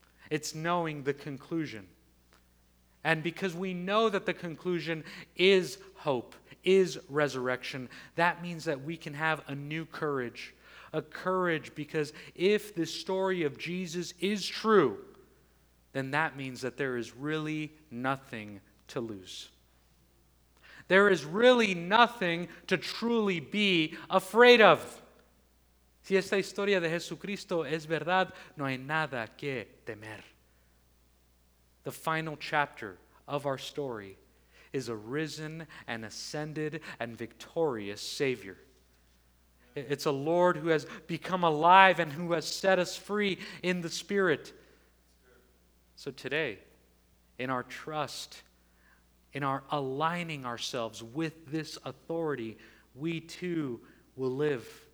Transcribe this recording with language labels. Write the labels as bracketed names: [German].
[English] It's knowing the conclusion. And because we know that the conclusion is hope, is resurrection, that means that we can have a new courage. A courage because if the story of Jesus is true, then that means that there is really nothing to lose. There is really nothing to truly be afraid of. [Spanish] Si esta historia de Jesucristo es verdad, no hay nada que temer. [English] The final chapter of our story is a risen and ascended and victorious Savior. It's a Lord who has become alive and who has set us free in the Spirit. So today, in our trust, in our aligning ourselves with this authority, we too will live.